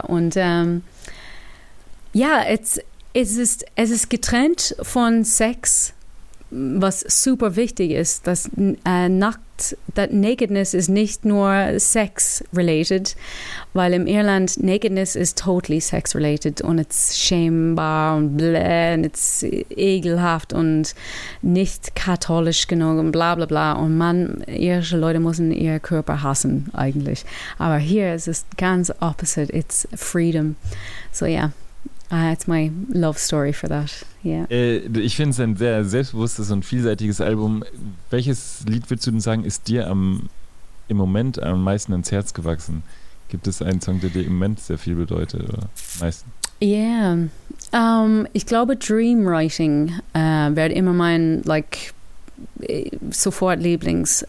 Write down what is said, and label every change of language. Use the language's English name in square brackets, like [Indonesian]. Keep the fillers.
[German] Und ähm, ja, yeah, es, ist, es ist getrennt von Sex, was super wichtig ist, dass äh, Nackt, that Nakedness ist nicht nur Sex-related, weil im Irland Nakedness ist totally Sex-related und es ist schämbar und bläh und es ekelhaft und nicht katholisch genug und bla bla bla und man, irische Leute müssen ihren Körper hassen eigentlich. Aber hier ist es ganz opposite, [English] it's freedom. [German] So ja. Yeah. [English] Ah, uh, it's my love story for that. Yeah. [German] Uh, ich finde es ein sehr selbstbewusstes und vielseitiges Album. Welches Lied würdest du denn sagen, ist dir am, im Moment am meisten ins Herz gewachsen? Gibt es einen Song, der dir im Moment sehr viel bedeutet? Oder meisten. [English] Yeah. [German] Um, ich glaube, Dreamwriting uh, wird immer mein like, sofort Lieblings.